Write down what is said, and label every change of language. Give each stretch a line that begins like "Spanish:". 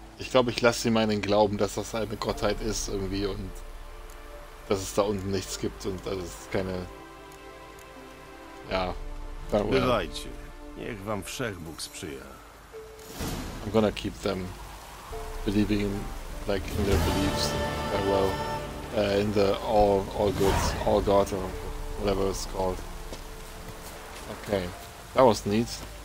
German: Ich glaube, ich lasse meinen Glauben, dass das eine Gottheit ist, irgendwie, und... dass es da unten nichts gibt und dass es keine... Ja...
Polish: Bywajcie. Niech wam Wszechbóg sprzyja.
English: I'm gonna keep them believing in, like, in their beliefs. Well, in the all good, all God or whatever it's called. Okay, that was neat.